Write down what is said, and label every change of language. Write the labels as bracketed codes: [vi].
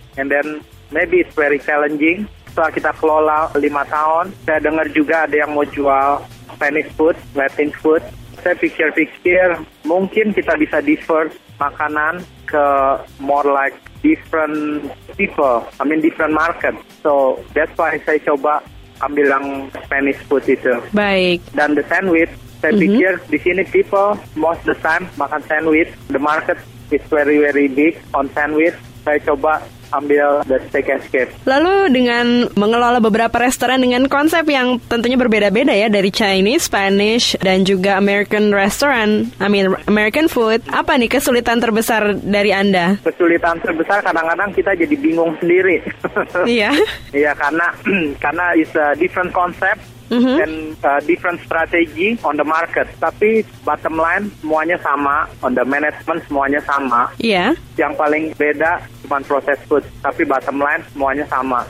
[en] And then maybe it's very challenging. [id] Setelah kita kelola 5 tahun, saya dengar juga ada yang mau jual Spanish food, Latin food. Saya pikir-pikir mungkin kita bisa defer makanan ke [en] more like different people, I mean different market. So that's why [id] saya coba ambil yang Spanish food itu. Baik. Dan the sandwich, saya pikir di sini [en] people most the time [id] makan sandwich. [en] The market is very very big on sandwich. [id] Saya coba ambil the Steak Escape. Lalu dengan mengelola beberapa restoran dengan konsep yang tentunya berbeda-beda ya, dari Chinese, Spanish, dan juga American restaurant, [en] I mean American food, [id] apa nih kesulitan terbesar dari Anda? Kesulitan terbesar kadang-kadang kita jadi bingung sendiri. Iya. Iya, karena [en] it's a different concept and different strategy on the market. [id] Tapi bottom line semuanya sama, [en] on the management [id] semuanya sama. Iya. Yang paling beda cuma proses food, tapi bottom line semuanya sama.